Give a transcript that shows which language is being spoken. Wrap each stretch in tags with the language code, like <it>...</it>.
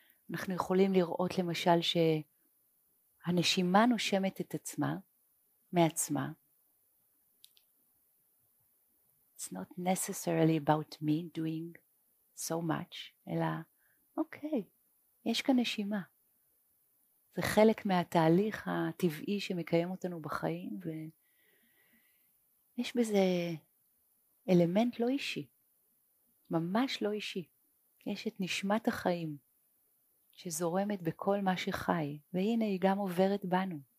<he>אנחנו יכולים לראות למשל שהנשימה נושמת את עצמה, מעצמה.</he> <en>It's not necessarily about me doing so much,</en> <he>אלא אוקיי, יש כאן נשימה. זה חלק מהתהליך הטבעי שמקיים אותנו בחיים, ויש בזה אלמנט לא אישי, ממש לא אישי. יש את נשמת החיים שזורמת בכל מה שחי, והנה היא גם עוברת בנו.</he>